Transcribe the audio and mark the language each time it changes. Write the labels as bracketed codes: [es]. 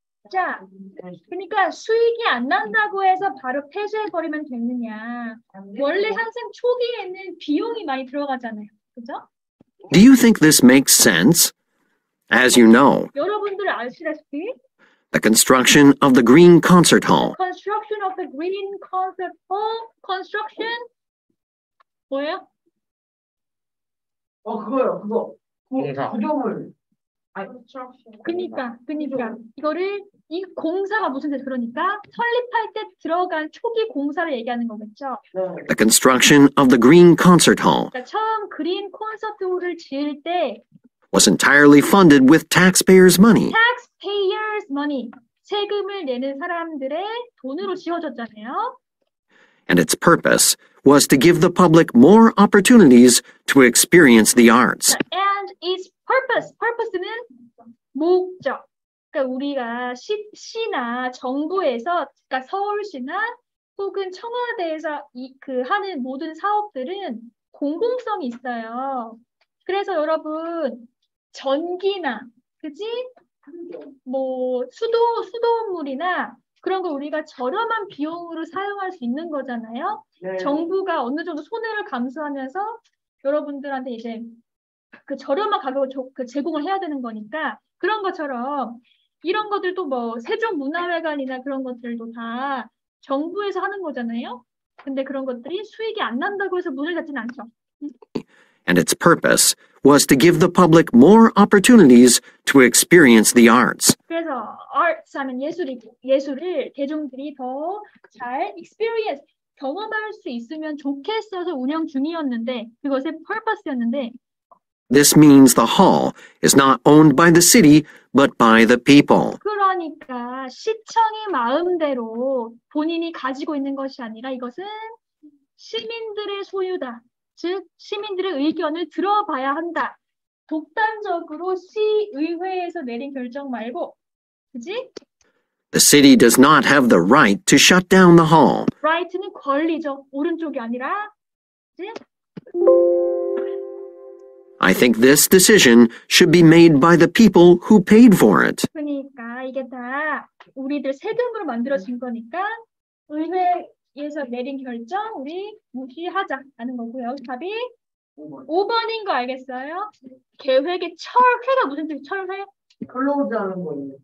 [ko] 자, 그러니까 수익이 안 난다고 해서 바로 폐쇄해버리면 되느냐. 원래 항상 초기에는 비용이 많이 들어가잖아요. 그죠? [en] Do you think this makes sense? As you know. [ko] 여러분들 아시다시피. [en] The construction of the Green Concert Hall. Construction of the Green Concert Hall. Construction. [ko] 뭐야? 그거요. 그거. 공사. 구조물. 그니까. 이거를 이 공사가 무슨 뜻? 그러니까 설립할 때 들어간 초기 공사를 얘기하는 거겠죠. [en] The construction of the Green Concert Hall. [ko] 그러니까 처음 그린 콘서트홀을 지을 때 [en] was entirely funded with taxpayers' money. Taxpayers' money. [ko] 세금을 내는 사람들의 돈으로 지어졌잖아요. [en] And its purpose was to give the public more opportunities to experience the arts. And its purpose, purpose는 [ko] 목적. 그러니까 우리가 시나 정부에서, 그러니까 서울시나 혹은 청와대에서 그 하는 모든 사업들은 공공성이 있어요. 그래서 여러분 전기나 그지 뭐 수도물이나 그런 걸 우리가 저렴한 비용으로 사용할 수 있는 거잖아요. 네. 정부가 어느 정도 손해를 감수하면서 여러분들한테 이제 그 저렴한 가격을 제공을 해야 되는 거니까 그런 것처럼 이런 것들도 뭐 세종문화회관이나 그런 것들도 다 정부에서 하는 거잖아요. 근데 그런 것들이 수익이 안 난다고 해서 문을 닫진 않죠. [en] And its purpose was to give the public more opportunities to experience the arts. [ko] 그래서 arts 하면 예술이고 예술을 대중들이 더 잘 experience 경험할 수 있으면 좋겠어서 운영 중이었는데 그것의 purpose였는데 [en] This means the hall is not owned by the city but by the people. [ko] 그러니까 시청의 마음대로 본인이 가지고 있는 것이 아니라 이것은 시민들의 소유다. 즉 시민들의 의견을 들어봐야 한다. 독단적으로 시의회에서 내린 결정 말고 그지? [en] The city does not have the right to shut down the hall. [ko] Right는 권리죠. 오른쪽이 아니라 그지? [en] I think this decision should be made by the people who paid for it. [ko] 그러니까 이게 다 우리들 세금으로 만들어진 거니까 의회 에서 내린 결정 우리 무시하자라는 거고요. 답이 5번. 5번인 거 알겠어요? 계획의 철회가 무슨 뜻이 철회? 클로즈 하는 거예요.